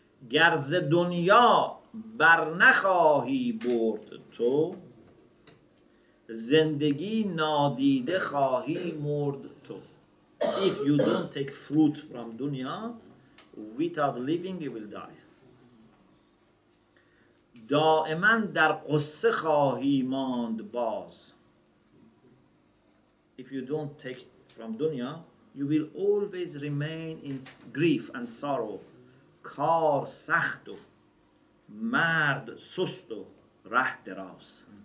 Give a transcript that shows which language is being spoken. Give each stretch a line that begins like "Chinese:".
Persian: گر ز دنیا بر نخواهی برد تو زندگی نادیده خواهی مرد تو.
English: If you don't take fruit from dunya, without living you will die.
Persian: دائما در قصه خواهی ماند باز.
English: If you don't take from dunya, you will always remain in grief and sorrow.
Persian: کار سخت و مرد سست و ره دراز.